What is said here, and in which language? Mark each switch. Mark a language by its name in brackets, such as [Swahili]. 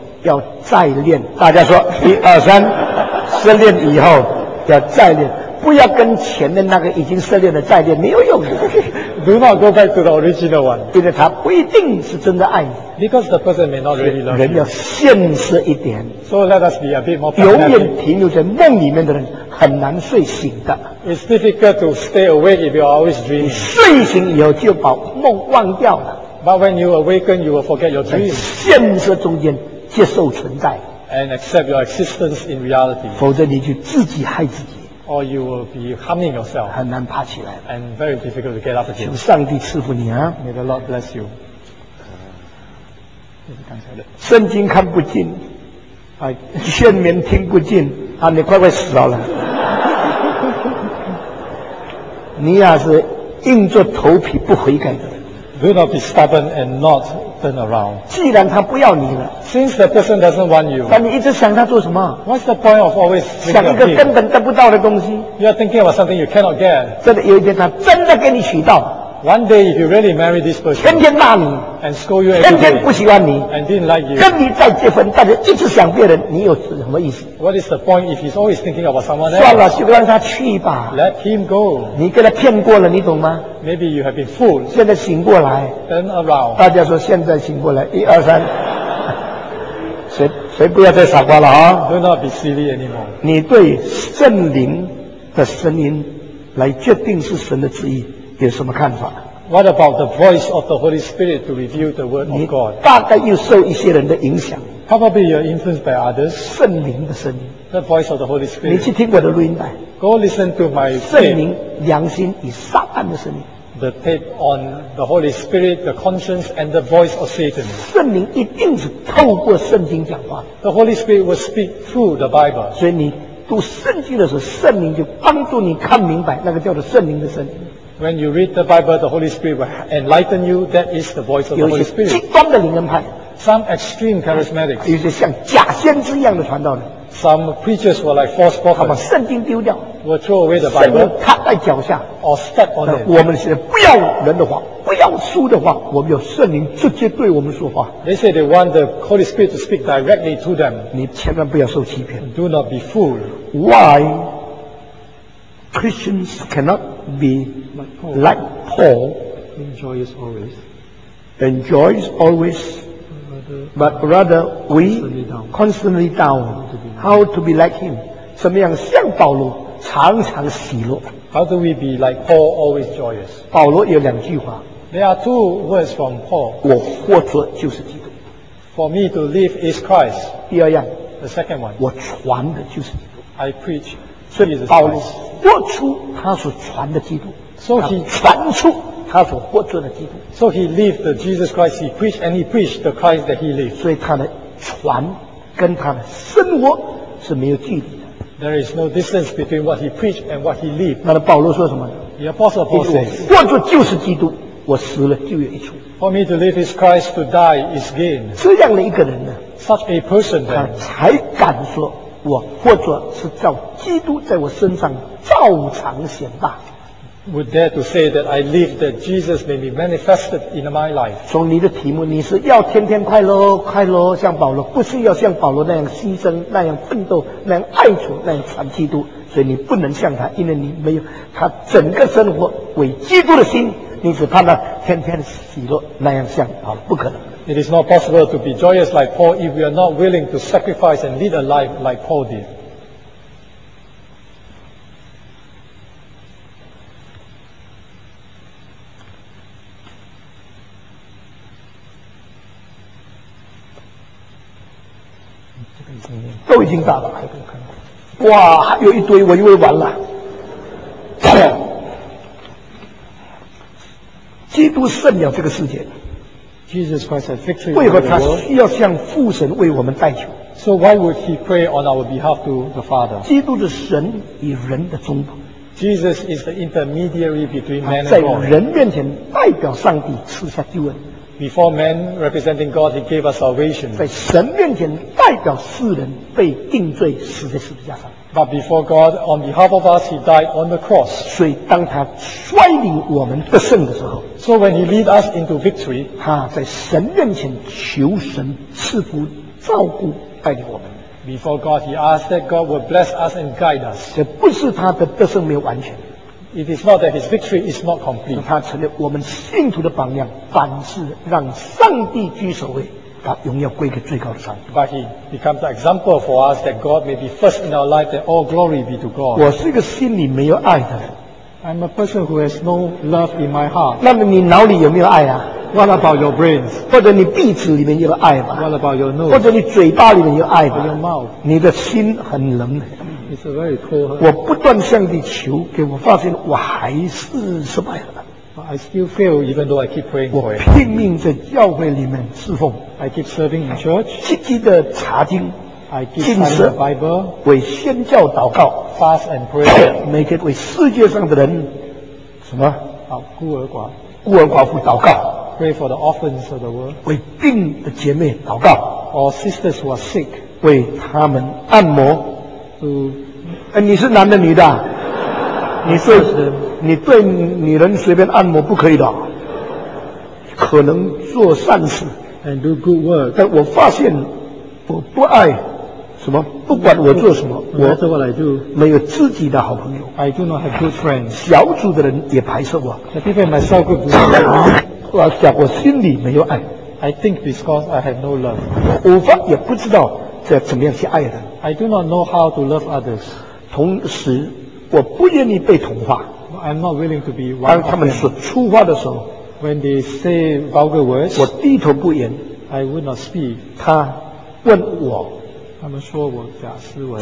[Chinese] 要再练，大家说一二三，失恋以后要再练，不要跟前面那个已经失恋的再练，没有用的。 [English] Do not go back to the original one， [Chinese] 因为他不一定是真的爱你。 [English] Because the person may not really love you。 [Chinese] 人要现实一点。 [English] So let us be a bit more。 [Chinese] 永远停留在梦里面的人很难睡醒的。 [English] It's difficult to stay awake if you always dream。 [Chinese] 睡醒以后就把梦忘掉了。 [English] But when you awaken, you will forget your dream。 [Chinese] 现实中间。接受存在 [English] ，and accept your existence in reality， [Chinese] 否则你就自己害自己 [English] ，or you will be harming yourself， [Chinese] 很难爬起来 [English] ，and very difficult to get up again。 [Chinese] 求上帝赐福你啊 [English] ，may the Lord bless you。 [Chinese] 圣经看不尽，啊，劝勉听不尽，啊，你快快死好了。你要是硬着头皮不悔改的 [English] ，do not be stubborn and not。 Turn around. [Chinese] 既然他不要你了 [English] ，Since the person doesn't want you， [Chinese] 但你一直想他做什么 [English] ？What's the point of always thinking [Chinese] 想一个根本得不到的东西 [English] ？You are thinking about something you cannot get。 [Chinese] 真的有一天他真的给你娶到 [English] ，One day if you really marry this person， [Chinese] 天天骂你 [English] ，and scold you， [Chinese] 天天不喜欢你 [English] ，and didn't like you， [Chinese] 跟你再结婚，但是一直想别人，你有什么意思 [English] ？What is the point if he's always thinking about someone else？ [Chinese] 算了，就让他去吧 [English] ，Let him go。 [Chinese] 你跟他骗过了，你懂吗？ [English] Maybe you have been fooled. [Chinese] 现在醒过来。 [English] Turn around. [Chinese] 大家说现在醒过来，一二三。谁不要再傻瓜了啊 [English] ？Do not be silly anymore. [Chinese] 你对圣灵的声音来决定是神的旨意有什么看法 [English] ？What about the voice of the Holy Spirit to reveal the word of God? [Chinese] 大概又受一些人的影响。 [English] Probably you are influenced by others. [Chinese] 圣灵的声音。 [English] The voice of the Holy Spirit. [Chinese] 你去听我的录音带。 [English] Go listen to my tape. [Chinese] 圣灵、良心与撒旦的声音。 [English] The tape on the Holy Spirit, the conscience, and the voice of Satan. [Chinese] 圣灵一定是透过圣经讲话。 [English] The Holy Spirit will speak through the Bible. [Chinese] 所以你读圣经的时候，圣灵就帮助你看明白，那个叫做圣灵的声音。 [English] When you read the Bible, the Holy Spirit will enlighten you. That is the voice of the Holy Spirit. [Chinese] 有些极端的灵恩派。 [English] Some extreme charismatics. [Chinese] 有些像假先知一样的传道人。 [English] Some preachers were like false prophets. [Chinese] 他把圣经丢掉 [English] ，will throw away the Bible. [Chinese] 圣经踏在脚下 [English] ，or step on it. [Chinese] 我们现在不要人的话，不要书的话，我们有圣灵直接对我们说话。 [English] They say they want the Holy Spirit to speak directly to them. [Chinese] 你千万不要受欺骗。 [English] Do not be fooled. Why Christians cannot be like Paul? Enjoys always. But rather, we constantly down. How to be like him? [Chinese] 怎么样像保罗常常喜乐 [English] ？How do we be like Paul, always joyous? [Chinese] 保罗有两句话。 [English] There are two words from Paul. [Chinese] 我活着就是基督。 [English] For me to live is Christ. [Chinese] 第二样。 [English] The second one. [Chinese] 我传的就是基督。 [English] I preach. [Chinese] 所以保罗活出他所传的基督。 [English] So he [Chinese] 传出他所活着的基督。 [English] So he lived the Jesus Christ he preached and he preached the Christ that he lived. [Chinese] 所以他的传跟他的生活是没有距离。 [English] There is no distance between what he preached and what he lived. [Chinese] 那保罗说什么？ [English] The apostle Paul says, [Chinese] 活着就是基督，我死了就有益处。 [English] For me to live is Christ, to die is gain. [Chinese] 这样的一个人呢， [English] Such a person then, [Chinese] 他才敢说我活着是照基督在我身上照常显大。 [English] Would dare to say that I live that Jesus may be manifested in my life. [Chinese] 从你的题目，你是要天天快乐快乐像保罗，不是要像保罗那样牺牲，那样奋斗，那样爱主，那样传基督。所以你不能像他，因为你没有他整个生活为基督的心，你只盼他天天喜乐那样像保罗，不可能。 [English] It is not possible to be joyous like Paul if we are not willing to sacrifice and lead a life like Paul did. [Chinese] 都已经打了，还不看？哇，还有一堆，我以为完了。基督胜了这个世界。 [English] Jesus Christ has victory. [Chinese] 为何他需要向父神为我们代求？ [English] So why would he pray on our behalf to the Father? [Chinese] 基督的神与人的中保。 [English] Jesus is the intermediary between man and God. [Chinese] 在人面前代表上帝赐下救恩。 [English] Before man representing God, he gave us salvation. [Chinese] 在神面前代表世人被定罪死在十字架上。 [English] But before God, on behalf of us, he died on the cross. [Chinese] 所以当他带领我们得胜的时候， [English] So when he lead us into victory, [Chinese] 他在神面前求神赐福照顾带领我们。 [English] Before God, he asked that God would bless us and guide us. [Chinese] 这不是他的得胜没有完全。 [English] It is not that his victory is not complete. [Chinese] 他成了我们信徒的榜样，凡事让上帝居首位，把荣耀归给最高的上帝。 [English] But he becomes the example for us that God may be first in our life, that all glory be to God. [Chinese] 我是一个心里没有爱的。 [English] I'm a person who has no love in my heart. [Chinese] 那么你脑里有没有爱啊？ [English] What about your brains? [Chinese] 或者你鼻子里面有爱吗？ [English] What about your nose? [Chinese] 或者你嘴巴里面有爱吗？ [English] Or your mouth? [Chinese] 你的心很冷。 [English] It's a very cold heart. [Chinese] 我不断向你求，给我发现我还是失败了。 [English] I still fail even though I keep praying for it. [Chinese] 我拼命在教会里面侍奉。 [English] I keep serving in church. [Chinese] 积极的查经。 [English] I keep studying the Bible. [Chinese] 为宣教祷告。 [English] Fast and prayer. Make it [Chinese] 为世界上的人什么？孤儿寡。孤儿寡妇祷告。 [English] Pray for the orphans of the world. [Chinese] 为病的姐妹祷告。 [English] Or sisters who are sick. [Chinese] 为他们按摩。你是男的女的？你是你对女人随便按摩不可以的，可能做善事 [English] and do good work. [Chinese] 但我发现我不爱什么，不管我做什么，我没有自己的好朋友。 [English] I do not have good friends. [Chinese] 小组的人也排斥我。 [English] The people in my cell group do not like me. [Chinese] 我心里没有爱。 [English] I think because I have no love. [Chinese] 我反也不知道这怎么样去爱人。 [English] I do not know how to love others. [Chinese] 同时，我不愿意被同化。 [English] I'm not willing to be one of them. [Chinese] 当他们说粗话的时候， [English] When they say vulgar words, [Chinese] 我低头不言。 [English] I would not speak. [Chinese] 他问我，他们说我假斯文。